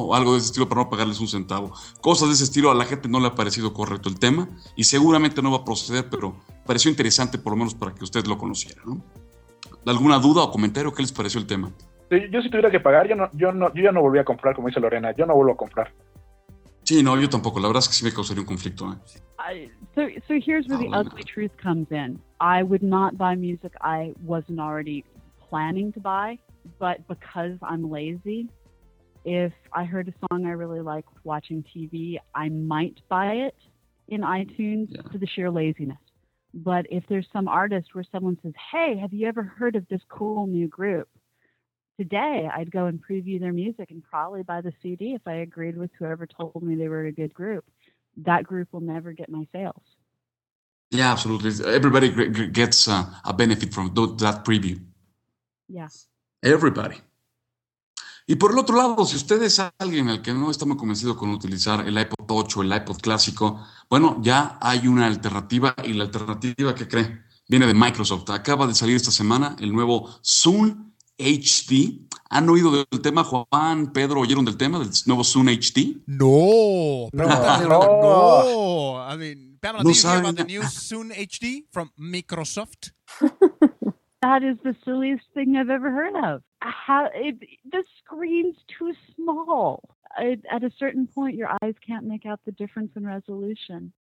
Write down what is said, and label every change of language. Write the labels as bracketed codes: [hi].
[es] O algo de ese estilo para no pagarles un centavo. Cosas de ese estilo, a la gente no le ha parecido correcto el tema y seguramente no va a proceder, pero pareció interesante por lo menos para que usted lo conociera, ¿no? ¿Alguna duda o comentario? ¿Qué les pareció el tema? Yo si tuviera que pagar, yo ya no volví a comprar, como dice Lorena, yo no vuelvo a comprar. Sí, no, yo tampoco. La verdad es que sí me causaría un conflicto. [en] So here's where the ugly truth comes in. I would not buy music I wasn't already planning to buy, but because I'm lazy, if I heard a song I really like watching TV, I might buy it in iTunes for the sheer laziness. But if there's some artist where someone says, hey, have you ever heard of this cool new group? Today, I'd go and preview their music and probably buy the CD if I agreed with whoever told me they were a good group. That group will never get my sales. Yeah, absolutely. Everybody gets a benefit from that preview. Yes. Everybody. [es] Y por el otro lado, si usted es alguien al que no está muy convencido con utilizar el iPod Touch o el iPod clásico, bueno, ya hay una alternativa, y la alternativa, ¿qué cree? Viene de Microsoft. Acaba de salir esta semana el nuevo Zoom HD. ¿Han oído del tema, Juan, Pedro, oyeron del tema del nuevo Zoom HD? ¡No! ¡No! ¡No! [en] I mean, Pamela, no, do you hear about the new Zoom HD from Microsoft? That is the silliest thing I've ever heard of. The screen's too small. At a certain point, your eyes can't make out the difference in resolution.